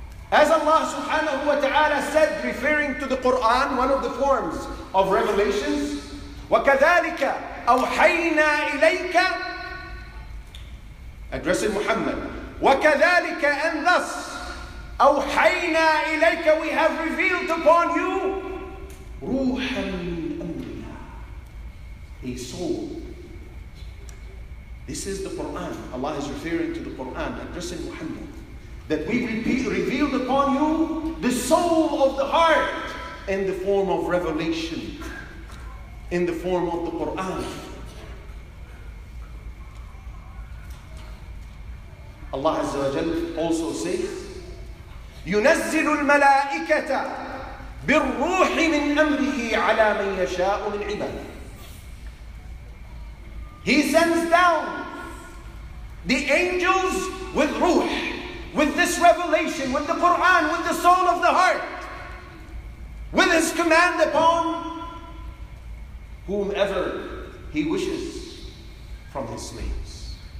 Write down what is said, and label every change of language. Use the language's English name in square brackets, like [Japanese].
[English] As Allah subhanahu wa ta'ala said, referring to the Quran, one of the forms of revelations, [Arabic] وَكَذَلِكَ أَوْحَيْنَا إِلَيْكَ, [English] addressing Muhammad, [Arabic] وَكَذَلِكَ, [English] and thus, [Arabic] أَوْحَيْنَا إِلَيْكَ, [English] we have revealed upon you [Arabic] رُوحًا مِنْ أَمْرِنَا, [English] a soul. This is the Quran. Allah is referring to the Quran, addressing Muhammad. That we revealed upon you the soul of the heart in the form of revelation, in the form of the Quran. Allah Azza wa Jal also says, [Arabic] يُنَزِّلُ الْمَلَائِكَةَ بِالْرُوحِ مِنْ أَمْرِهِ عَلَى مَنْ يَشَاءُ مِنْ عِبَادِهِ. [English] He sends down the angels with ruh, with this revelation, with the Quran, with the soul of the heart, with his command upon whomever he wishes from his slaves.